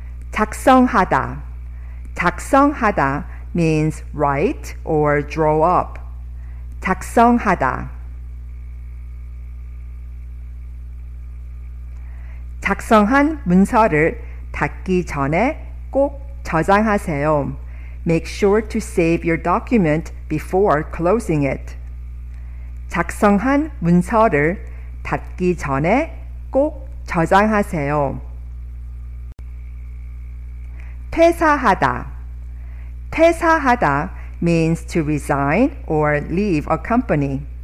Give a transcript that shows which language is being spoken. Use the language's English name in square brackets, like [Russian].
[English] 작성하다. 작성하다 means write or draw up. [Korean] 작성하다. 작성한 문서를 닫기 전에 꼭 저장하세요. [English] Make sure to save your document before closing it. [Korean] 작성한 문서를 닫기 전에 꼭 저장하세요. [English] 퇴사하다. 퇴사하다 means to resign or leave a company.